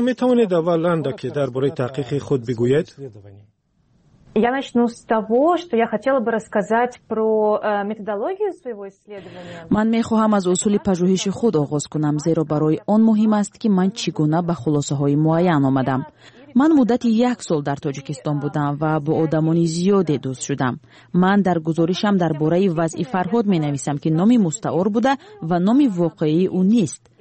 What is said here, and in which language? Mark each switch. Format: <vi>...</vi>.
<fa>می توانید اولا که درباره تحقیق خود بگویید؟</fa> <ru>Я начну с того, что я хотела бы рассказать про методологию своего исследования.</ru> <tg>Ман мехоҳам аз усули пажӯҳиши худ оғоз кунам, зеро барои он муҳим аст ки ман чӣ гуна ба хулосаҳои муайян омадам. Ман муддати як сол дар Тоҷикистон будам ва бо одамони зиёде дӯст шудам. Ман дар гузоришам дар бораи вазъи Фарҳод менависам, ки номи мустаъор буда ва номи воқеии ӯ нест.</tg>